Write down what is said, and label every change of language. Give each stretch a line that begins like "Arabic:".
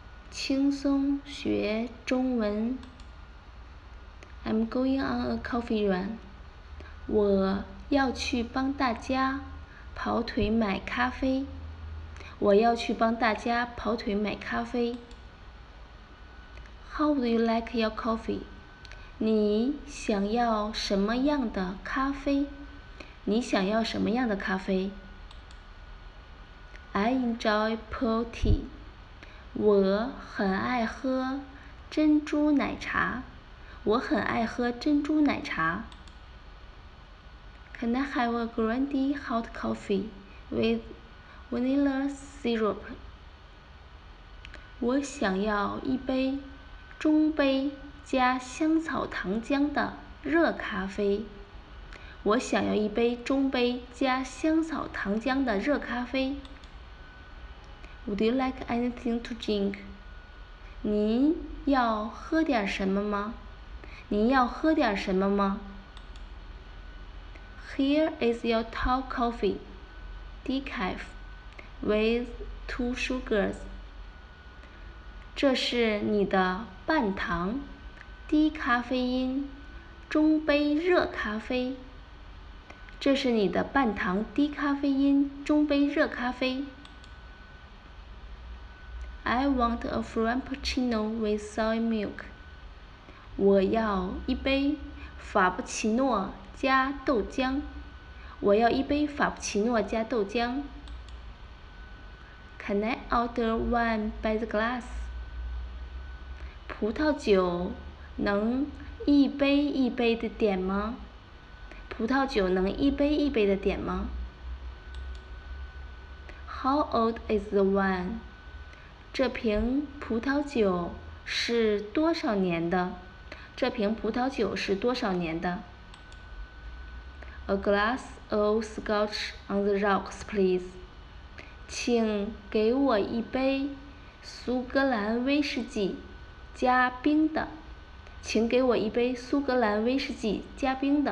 Chinese: 轻松学中文。
English: I'm going on a coffee run.
Chinese: 我要去帮大家跑腿买咖啡。我要去帮大家跑腿买咖啡。
English: How do you like your coffee?
Chinese: 你想要什么样的咖啡？你想要什么样的咖啡 ？
English: I enjoy pearl tea.
Chinese: 我很爱喝珍珠奶茶。我很爱喝珍珠奶茶。
English: Can I have a grande hot coffee with vanilla syrup?
Chinese: 我想要一杯中杯加香草糖浆的热咖啡。我想要一杯中杯加香草糖浆的热咖啡。
English: Would you like anything to drink?
Chinese: 你要喝点什么吗？你要喝点什么吗 ？
English: Here is your tall coffee, decaf, with 2 sugars.
Chinese: 这是你的半糖、低咖啡因、中杯热咖啡。这是你的半糖、低咖啡因、中杯热咖啡。
English: I want a frappuccino with soy milk.
Chinese: 我要一杯法布奇诺加豆浆。我要一杯法布奇诺加豆浆。
English: Can I order one by the glass?
Chinese: 葡萄酒能一杯一杯的点吗？葡萄酒能一杯一杯的点吗 ？
English: How old is the wine?
Chinese: 这瓶葡萄酒是多少年的？这瓶葡萄酒是多少年的 ？
English: A glass of Scotch on the rocks, please.
Chinese: 请给我一杯苏格兰威士忌加冰的。请给我一杯苏格兰威士忌加冰的。